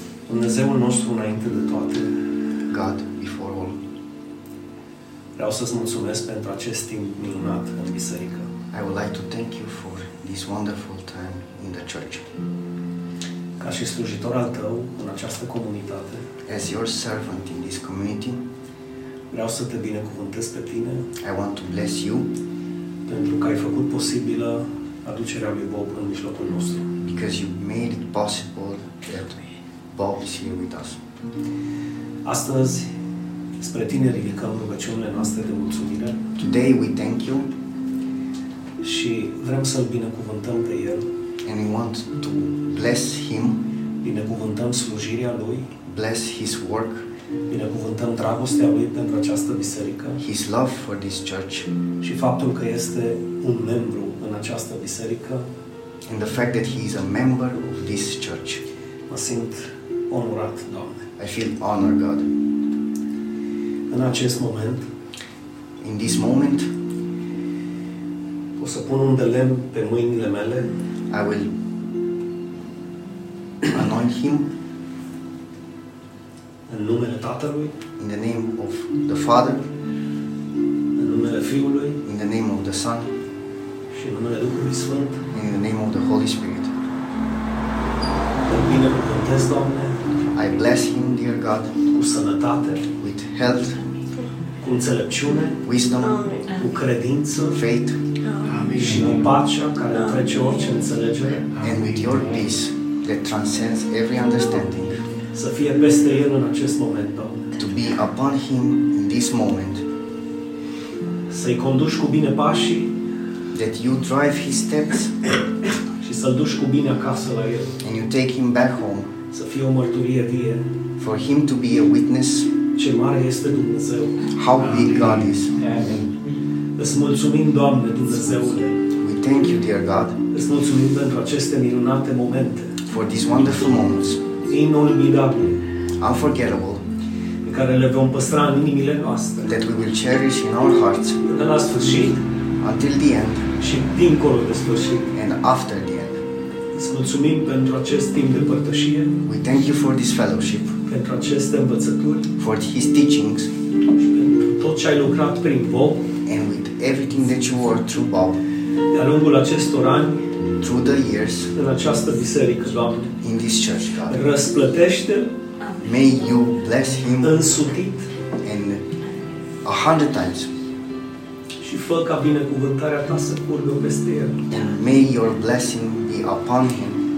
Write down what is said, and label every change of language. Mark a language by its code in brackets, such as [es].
[ro] Dumnezeul nostru înainte de toate. [en] God before all. [ro] Vreau să-ți mulțumesc pentru acest timp minunat în biserică. [en] I would like to thank you for this wonderful time in the church. [ro] Ca și slujitor al tău în această comunitate. [en] As your servant in this community. [ro] Vreau să te binecuvântez pe tine. [en] I want to bless you. [ro] Pentru că ai făcut posibilă aducerea lui Bob în mijlocul nostru. [en] Because you made it possible that Bob is here with us. [ro] Astăzi, spre tine ridicăm rugăciunile noastre de mulțumire. [en] Today we thank you. [ro] Și vrem să-l binecuvântăm pe el. [en] And we want to bless him. [ro] Binecuvântăm slujirea lui. [en] Bless his work. [ro] Binecuvântăm dragostea lui pentru această biserică. [en] His love for this church. [ro] Și faptul că este un membru în această biserică. [en] And the fact that he is a member of this church. [ro] Mă simt onorat, Doamne. [en] I feel honored, God. [ro] În acest moment, [en] in this moment, [ro] o să pun un de lemn pe mâinile mele. [en] I will anoint him. [ro] În numele Tatălui. [en] In the name of the Father. [ro] În numele Fiului. [en] In the name of the Son. [ro] Și și în numele Duhului Sfânt. [en] In the name of the Holy Spirit. [ro] Îl binecuvântez, Doamne. [en] I bless him, dear God. [ro] Cu sănătate. [en] With health. [ro] Cu înțelepciune. [en] Wisdom. [ro] Cu credință. [en] Faith. [ro] Amen. Și cu pacea care trece orice înțelegere. [en] And with your peace that transcends every understanding. [ro] Să fie peste el în acest moment, Doamne. [en] To be upon him in this moment. [ro] Să-i conduci cu bine pașii. [en] That you drive his steps. [ro] Și să-l duci cu bine acasă la el. [en] And you take him back home. [ro] Să fie o mărturie vie. [en] For him to be a witness. [ro] Ce mare este Dumnezeu. [en] How big God is. [ro] Amen. Îți mulțumim, Doamne, Dumnezeule. [en] We thank you, dear God. [ro] Îți mulțumim pentru aceste minunate momente. [en] For these wonderful moments. [es] Inolvidabile. [en] Unforgettable. [ro] Pe care le vom păstra în inimile noastre. [en] That we will cherish in our hearts. [ro] Până la sfârșit. [en] Until the end. [ro] Și dincolo de sfârșit. [en] And after the end. [ro] Îți mulțumim pentru acest timp de părtășie. [en] We thank you for this fellowship. [ro] Pentru aceste învățături. [en] For his teachings. [ro] Și pentru tot ce ai lucrat prin Bob. [en] And with everything that you worked through, Bob. [ro] De-a lungul acestor ani. [en] Through the years. [ro] În această biserică, Doamne. [en] In this church, God. [ro] Răsplătește. [en] May you bless him. [ro] Însutit. [en] And 100 times. [ro] Și fă ca binecuvântarea ta să curgă peste el. [en] And may your blessing be upon him.